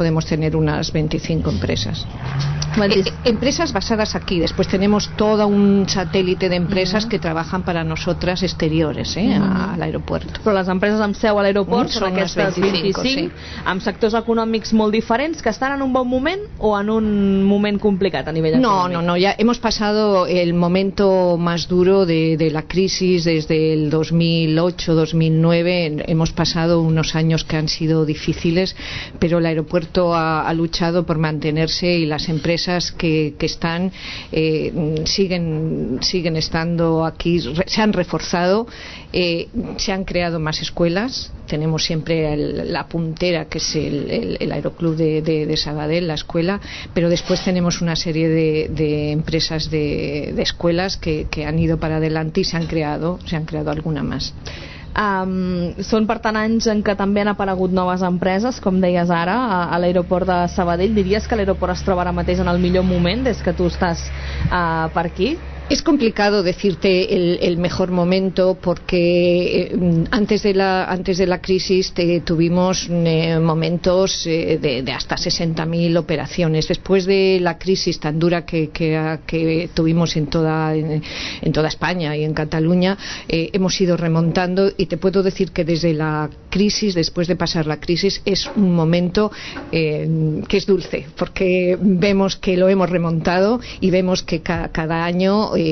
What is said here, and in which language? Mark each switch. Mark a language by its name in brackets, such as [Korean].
[Spanish] Podemos tener unas 25 empresas. Empresas basadas aquí. Después tenemos todo un satélite de empresas que trabajan para nosotras exteriores al aeropuerto. [Catalan] Però les empreses amb seu a l'aeroport són aquestes 25, amb sectors econòmics molt diferents, que estan en un bon moment o en un moment complicat a nivell econòmic? [Spanish] No, ya hemos pasado el momento más duro de la crisis desde el 2008-2009. Hemos pasado unos años que han sido difíciles, pero el aeropuerto ha luchado por mantenerse y las empresas que están siguen estando aquí, se han reforzado, se han creado más escuelas. Tenemos siempre la puntera, que es el aeroclub de Sabadell, la escuela, pero después tenemos una serie de empresas de escuelas que han ido para adelante y se han creado alguna más. [Catalan] Són, per tant, anys en què també han aparegut noves empreses, com deies ara, a l'aeroport de Sabadell. Diries que l'aeroport es troba ara mateix en el millor moment des que tu estàs per aquí? [Spanish] Es complicado decirte el mejor momento, porque antes de la crisis tuvimos momentos de hasta 60.000 operaciones. Después de la crisis tan dura que tuvimos en toda España y en Cataluña, hemos ido remontando, y te puedo decir que desde la crisis, después de pasar la crisis, es un momento que es dulce, porque vemos que lo hemos remontado y vemos que cada año,